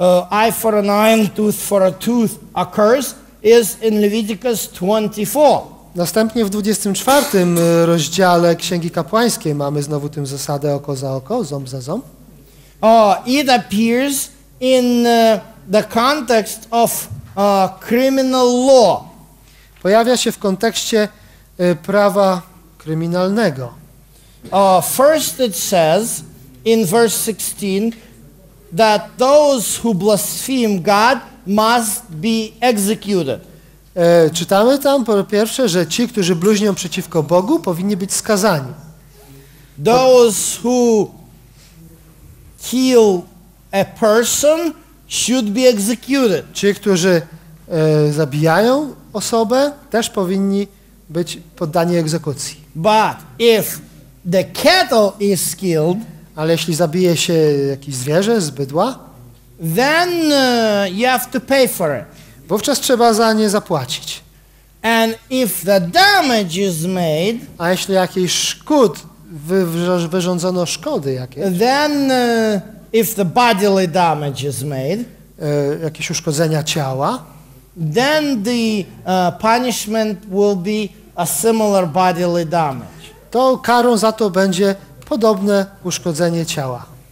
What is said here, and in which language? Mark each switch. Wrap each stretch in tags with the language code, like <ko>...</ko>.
<en>Eye for an eye and tooth for a tooth occurs is in Leviticus 24.</en> <pl>Następnie w 24 rozdziale Księgi Kapłańskiej mamy znowu tę zasadę oko za oko, ząb za ząb.</pl> <en>It appears in the context of criminal law.</en> <pl>Pojawia się w kontekście prawa kryminalnego.</pl> <en>First it says in verse 16 that those who blaspheme God must be executed.</en> <pl>Czytamy tam po pierwsze, że ci, którzy bluźnią przeciwko Bogu, powinni być skazani.</pl> <en>Those who kill a person should be executed.</en> <pl>Ci, którzy zabijają osobę, też powinni być poddani egzekucji.</pl> <en>But if the cattle is killed,</en> <pl>ale jeśli zabije się jakieś zwierzę z bydła,</pl> <en>then you have to pay for it.</en> <pl>Wówczas trzeba za nie zapłacić.</pl> <en>And if the damage is made,</en> <pl>a jeśli jakiś szkód wyrządzono szkody jakieś,</pl> <en>then if the bodily damage is made,</en> <pl>jakieś uszkodzenia ciała,</pl> <en>then the punishment will be a similar bodily damage.</en> <pl>To karą za to będzie podobne uszkodzenie ciała.</pl>